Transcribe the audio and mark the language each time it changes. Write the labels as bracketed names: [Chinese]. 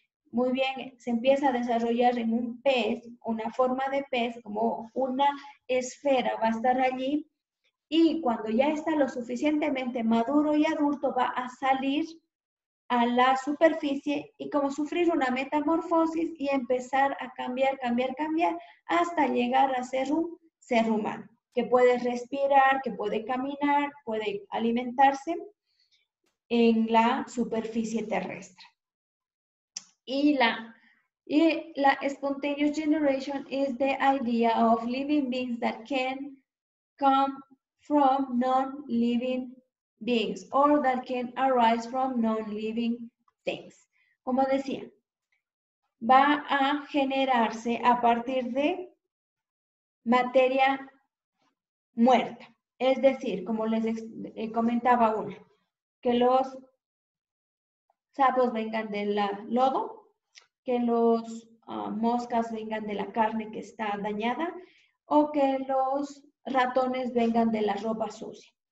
[Spanish] Muy bien, se empieza a desarrollar en un pez, una forma de pez, como una esfera va a estar allí y cuando ya está lo suficientemente maduro y adulto va a salir a la superficie y como sufrir una metamorfosis y empezar a cambiar hasta llegar a ser un ser humano, que puede respirar, que puede caminar, puede alimentarse en la superficie terrestre. Y la [English] spontaneous generation is the idea of living beings that can come from non-living beings or that can arise from non-living things. [Spanish] Como decía, va a generarse a partir de materia muerta. Es decir, como les comentaba uno, que los sapos vengan del lodo, que los moscas vengan de la carne que está dañada o que los ratones vengan de la ropa sucia.